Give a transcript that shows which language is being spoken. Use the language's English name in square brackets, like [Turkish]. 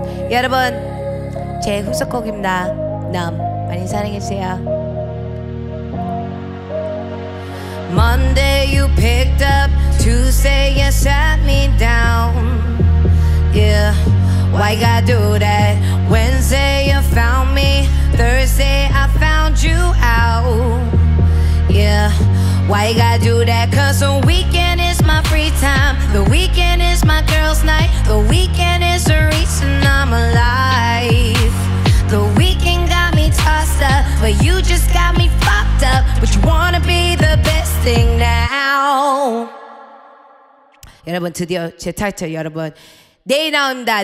[Korean] 여러분, 제 후속곡입니다. Numb. 많이 사랑해주세요. [English] Monday you picked up Tuesday you sat me down. Yeah, why gotta do that? Wednesday you found me, Thursday I found you out. Yeah, why gotta do that? Cause the weekend is my free time. The weekend is my girl's night. The weekend is the reason I'm alive. The weekend got me tossed up, but you just got me fucked up. But you wanna be the best thing now. [Korean] 여러분 드디어 제 타이틀 여러분 내일 나옵니다.